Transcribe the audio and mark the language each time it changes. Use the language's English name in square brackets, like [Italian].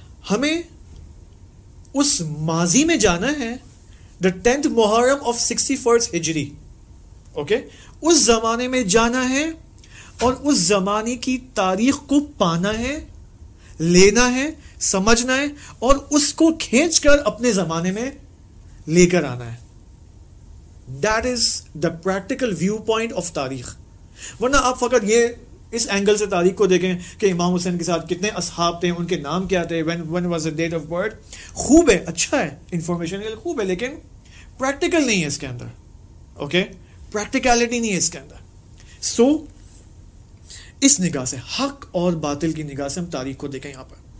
[Urdu] ہمیں اس ماضی میں جانا ہے, [English] the 10th Muharram of 61st Hijri, [Urdu] اوکے, اس زمانے میں جانا ہے اور اس زمانے کی تاریخ کو پانا ہے, لینا ہے, سمجھنا ہے, اور اس کو کھینچ کر اپنے زمانے میں لے کر آنا ہے. [English] That is the practical viewpoint of تاریخ. [Urdu] ورنہ آپ فقط یہ اس اینگل سے تاریخ کو دیکھیں کہ امام حسین کے ساتھ کتنے اصحاب تھے, ان کے نام کیا تھے, [English] when was the date of birth, [Urdu] خوب ہے, اچھا ہے, انفارمیشن کے لیے خوب ہے, لیکن پریکٹیکل نہیں ہے اس کے اندر. اوکے, پریکٹیکلٹی نہیں ہے اس کے اندر. سو اس نگاہ سے, حق اور باطل کی نگاہ سے ہم تاریخ کو دیکھیں یہاں پر.